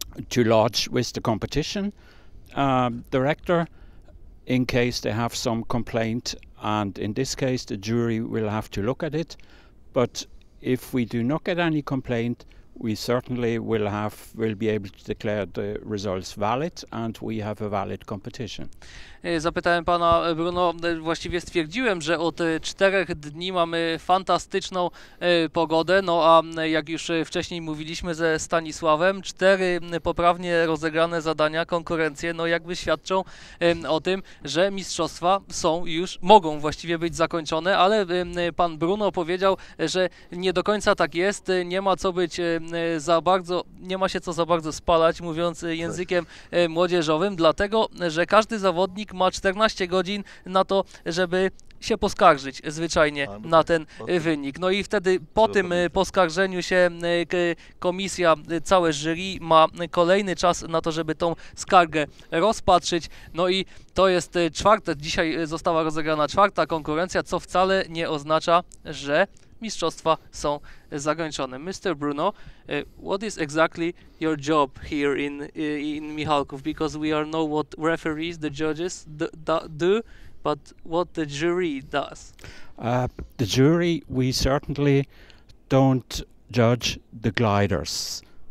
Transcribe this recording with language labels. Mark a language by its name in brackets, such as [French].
[English] to lodge with the competition director in case they have some complaint, and in this case the jury will have to look at it. But if we do not get any complaint, we certainly will be able to declare the results valid and we have a valid competition. [Polish] Zapytałem pana Bruno, właściwie stwierdziłem, że od 4 dni mamy fantastyczną pogodę, no a jak już wcześniej mówiliśmy ze Stanisławem, 4 poprawnie rozegrane zadania, konkurencje, no jakby świadczą o tym, że mistrzostwa są już, mogą właściwie być zakończone, ale pan Bruno powiedział, że nie do końca tak jest, nie ma co być za bardzo, nie ma się co za bardzo spalać, mówiąc językiem młodzieżowym, dlatego, że każdy zawodnik ma 14 godzin na to, żeby się poskarżyć zwyczajnie na ten wynik. No i wtedy po tym poskarżeniu się komisja, całe jury ma kolejny czas na to, żeby tą skargę rozpatrzyć. No i to jest czwarte, dzisiaj została rozegrana 4. konkurencja, co wcale nie oznacza, że mistrzostwa są zakończone. [English] Mr. Bruno, what is exactly your job here in Michałków? Because we all know what referees, the judges do, but what the jury does? The jury, we certainly don't judge the gliders.